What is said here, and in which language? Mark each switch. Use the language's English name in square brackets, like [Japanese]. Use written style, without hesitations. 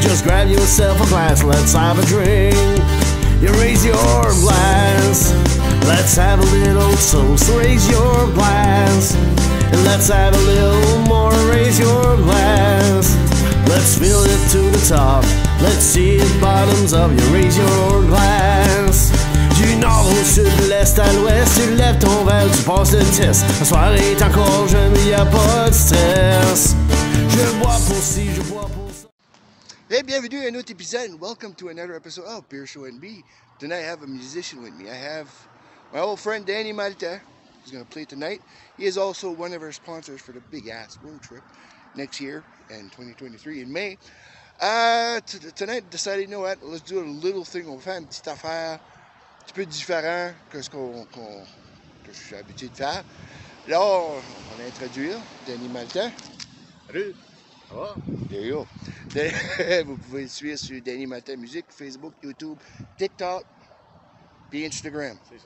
[English] Just grab yourself a glass, let's have a drink. You raise your glass, let's have a little toast. Raise your glass, and let's have a little more. Raise your glass, let's fill it to the top. Let's see it bottoms up, you raise your glass. [French] Du nord au sud, de l'est à l'ouest, tu lèves ton verre, tu passes le test. La soirée est encore jeune, y'a pas de stress. Je bois pour si, je bois pour ça. [English] Hey, [French] bienvenue à un autre épisode, [English] and welcome to another episode of Beer Show NB. Tonight I have a musician with me. I have my old friend Danny Maltais, who's going to play tonight. He is also one of our sponsors for the Big Ass Road Trip next year in 2023 in May. Tonight, decided, you know what, let's do a little thing. [French] On va faire une petite affaire un petit peu différent que ce que je suis habitué de faire. Là, on va introduire Danny Maltais. Salut! Ça va? [English] There you go. [French] Vous pouvez le suivre sur Danny Maltais Musique, Facebook, YouTube, TikTok, puis Instagram.